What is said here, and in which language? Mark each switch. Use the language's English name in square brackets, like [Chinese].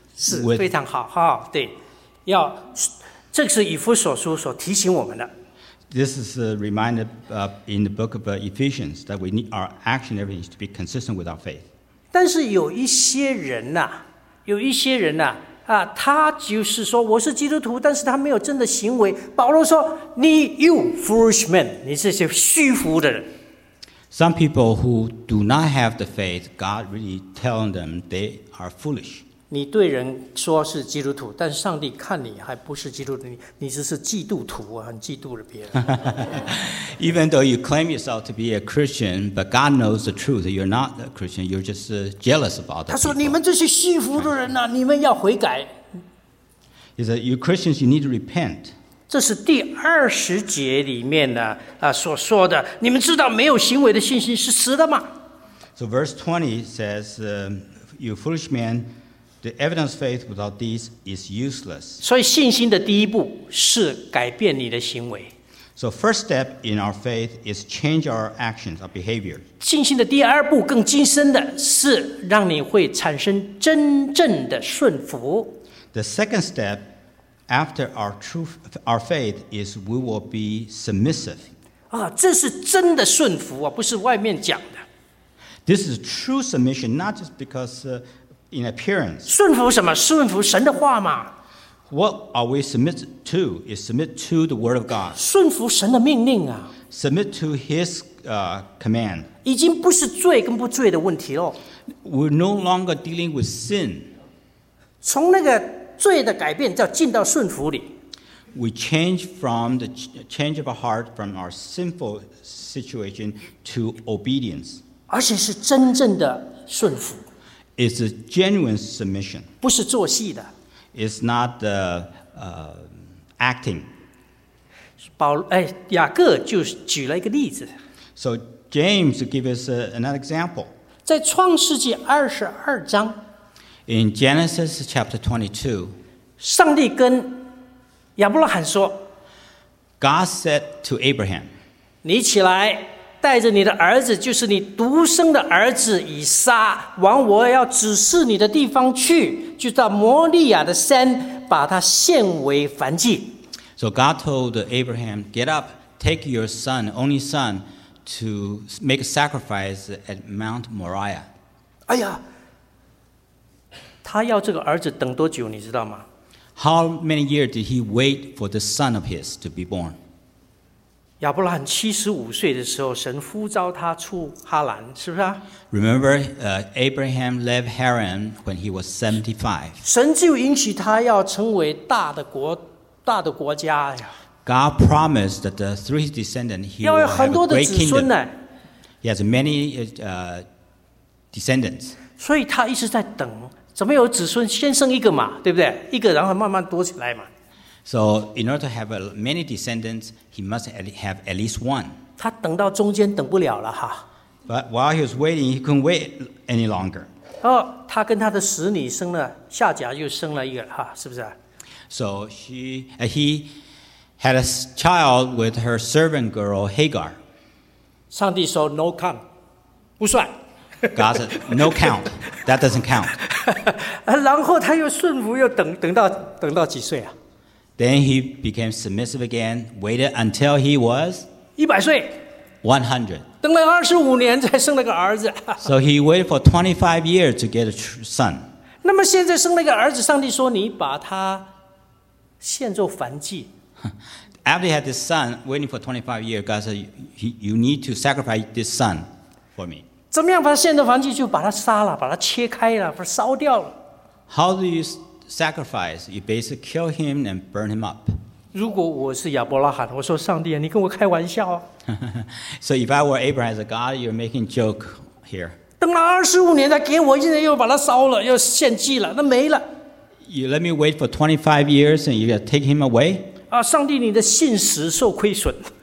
[Chinese] 是非常好，对，要，这是以弗所书所提醒我们的。 [English] This is reminded in the book of Ephesians that we need our action everything to be consistent with our faith. [Chinese] 但是有一些人呐、啊，有一些人呐、啊，啊，他就是说我是基督徒，但是他没有真的行为。保罗说：“你 [English] you foolish man， [Chinese] 你这些虚浮的人。” [English] Some people who do not have the faith, God really telling them they are foolish. [Chinese] 你对人说是基督徒，但上帝看你还不是基督徒，你只是嫉妒徒，很嫉妒了别人。 [English] Even though you claim yourself to be a Christian, but God knows the truth, you're not a Christian, you're just jealous of other people. [Chinese] 他说你们这些虚浮的人啊，你们要悔改。 [English] He said, you Christians, you need to repent. [Chinese] 这是第二十节里面呢、啊、所说的，你们知道没有行为的信心是死的吗？ [English] So verse 20 says, you foolish man, the evidence of faith without deeds is useless. [Chinese] 所以信心的第一步是改变你的行为。 [English] So first step in our faith is change our actions, our behavior. [Chinese] 信心的第二步更精深的是让你会产生真正的顺服。 [English] The second step,After our truth, our faith is we will be submissive. [Chinese] 啊，这是真的顺服啊，不是外面讲的。 [English] This is true submission, not just because in appearance. [Chinese] 顺服什么？顺服神的话嘛。 [English] What are we submit to? Is submit to the word of God. [Chinese] 顺服神的命令啊。 [English] Submit to His command. [Chinese] 已经不是罪跟不罪的问题了。 [English] We're no longer dealing with sin. [Chinese] 从那个罪的改变，叫进到顺服里。 [English] We change from the change of our heart from our sinful situation to obedience. [Chinese] 而且是真正的顺服。 [English] It's a genuine submission. [Chinese] 不是做戏的。 [English] It's not the acting. [Chinese] 雅各就举了一个例子。 [English] So James gave us another example. [Chinese] 在创世纪二十二章。 [English] In Genesis chapter 22, [Chinese] 上帝跟亚伯拉罕说 [English] ，God said to Abraham, [Chinese] 你起来。带着你的儿子，就是你独生的儿子以撒，往我要指示你的地方去，就到摩利亚的山，把它献为燔祭。 [English] So God told Abraham, "Get up, take your son, only son, to make a sacrifice at Mount Moriah." [Chinese] 哎呀，他要这个儿子等多久，你知道吗 [English] ？How many years did he wait for the son of his to be born? [Chinese] 亚伯拉罕七十五岁的时候，神呼召他出哈兰，是不是啊 [English] ？Remember, Abraham left Haran when he was 75. [Chinese] 神就允许他要成为大的国家呀。 [English] God promised that through his descendant he will [Chinese] 要有很多的子孙 [English] 呢。He has many descendants. [Chinese] 所以他一直在等，怎么有子孙？先生一个嘛，对不对？一个，然后慢慢多起来嘛。 [English] So in order to have many descendants, he must have at least one. [Chinese] 他等到中间等不了了哈。 [English] But while he was waiting, he couldn't wait any longer. [Chinese] 哦，他跟他的使女生了，夏甲又生了一个哈，是不是 [English] ？So he had a child with her servant girl Hagar. [Chinese] 上帝说 [English] no count, [Chinese] 不算。 [English] God said no count, that doesn't count. [Chinese] 然后他又顺服，又等到几岁啊？ [English] Then he became submissive again, waited until he was 100. [Chinese] 等了25年才生了个儿子。 [English] So he waited for 25 years to get a son. [Chinese] 那么现在生了个儿子，上帝说你把他献作燔祭。 [English] After he had this son, waiting for 25 years, God said, you need to sacrifice this son for me. [Chinese] 怎么样把他献作燔祭？就把他杀了，把他切开了，把他烧掉了。 [English] How do you... Sacrifice. You basically kill him and burn him up. [Chinese] 如果我是亚伯拉罕，我说上帝啊，你跟我开玩笑啊。 [English] So if I were Abraham, God, you're making joke here. [Chinese] 等了二十五年才给我，现在又把它烧了，又献祭了，那没了。 [English] You let me wait for 25 years and you gotta take him away? [Chinese] 啊，上帝，你的信实受亏损。